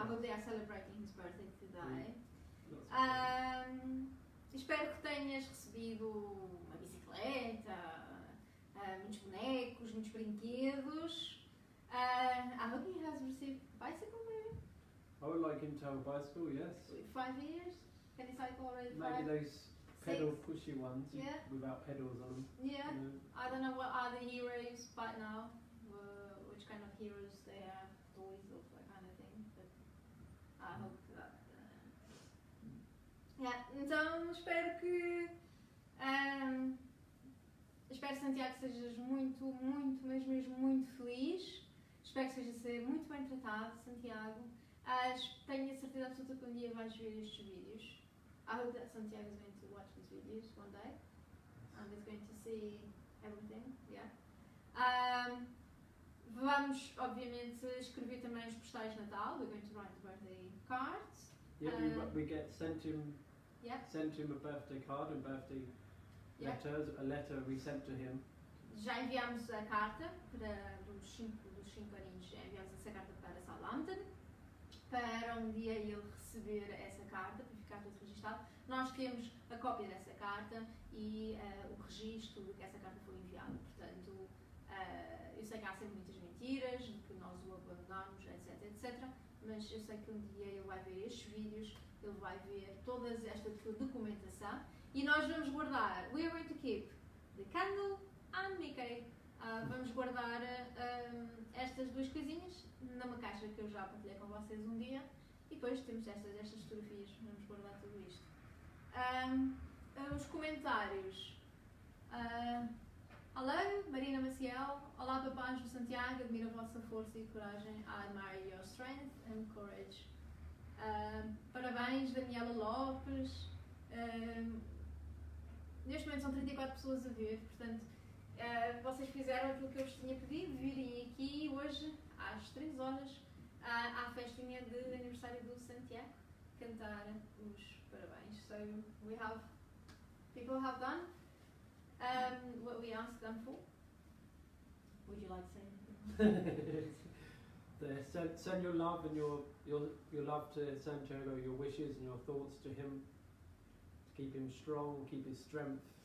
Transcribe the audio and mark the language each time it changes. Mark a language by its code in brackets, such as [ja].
[en] I hope they are celebrating his birthday today. Mm. [pt] Espero que tenhas recebido uma bicicleta, muitos bonecos, muitos brinquedos. [en] I hope he has received a bicycle maybe? I would like him to have a bicycle, yes. 5 years? Can he cycle already? Maybe five? Those pedal Six? Pushy ones, yeah. Without pedals on them. Yeah. You know? I don't know what are the heroes but now. Which kind of heroes they are, toys of that kind of thing, but I hope that, yeah, [pt] então espero que, espero Santiago que sejas muito, muito, mesmo muito feliz, espero que sejas muito bem tratado, Santiago, tenho a certeza absoluta que um dia vais ver estes vídeos, [en] I hope that Santiago is going to watch these videos one day, and is going to see everything, yeah. [pt] Vamos, obviamente, escrever também os postais de Natal. [en] We're going to write the birthday cards. Yeah, we get sent him, yeah. Sent him a birthday card and birthday letters, yeah. A letter we sent to him. [pt] Já enviámos a carta para dos cinco aninhos, enviámos essa carta para Southampton, para um dia ele receber essa carta, para ficar tudo registado. Nós temos a cópia dessa carta e o registro de que essa carta foi enviada, portanto, eu sei que há sempre muitas mentiras. mentiras, de que nós o abandonamos, etc, etc. Mas eu sei que um dia ele vai ver estes vídeos, ele vai ver toda esta documentação e nós vamos guardar. [en] We are going to keep the candle and Mickey. [pt] Vamos guardar estas duas coisinhas numa caixa que eu já partilhei com vocês um dia. E depois temos estas fotografias, vamos guardar tudo isto. Os comentários. Olá, Marina Maciel. Olá, papás do Santiago. Admiro a vossa força e coragem. [en] I admire your strength and courage. [pt] Parabéns, Daniela Lopes. Neste momento são 34 pessoas a ver, portanto, vocês fizeram aquilo que eu vos tinha pedido, virem aqui hoje, às 3 horas, à festinha de aniversário do Santiago, cantar os parabéns. [en] So, we have. People have done. What we asked them for? Would you like to say? send your love and your love to Santiago, your wishes and your thoughts to him, to keep him strong, keep his strength.